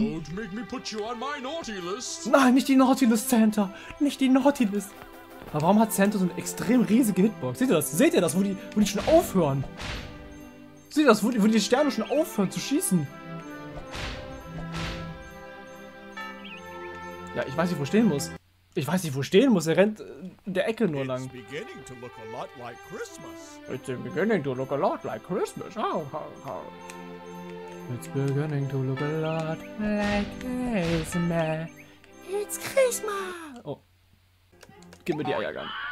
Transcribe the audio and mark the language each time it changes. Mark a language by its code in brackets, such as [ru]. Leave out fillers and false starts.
[en] Don't make me put you on my naughty list. [de] Nein, nicht die Naughty List, Santa. Nicht die Naughty List. Aber warum hat Santa so eine extrem riesige Hitbox? Seht ihr das? Seht ihr das, wo die schon aufhören? Seht ihr das, wo die Sterne schon aufhören zu schießen? Ja, ich weiß nicht, wo ich stehen muss. Ich weiß nicht, wo stehen muss. Er rennt in der Ecke nur lang. [en] It's beginning to look a lot like Christmas. It's beginning to look a lot like Christmas. It's Christmas. [de] Oh. Gib mir die Eiergang.